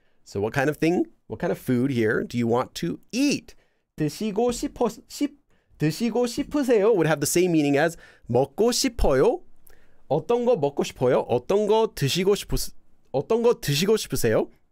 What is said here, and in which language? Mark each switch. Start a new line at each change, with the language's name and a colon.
English: So what kind of thing, what kind of food here do you want to eat?
Korean: 드시고 싶어 싶 드시고 싶으세요
English: would have the same meaning as
Korean: 먹고 싶어요. 어떤 거 먹고 싶어요? 어떤 거 드시고 싶으세요? 어떤 거 드시고 싶으세요?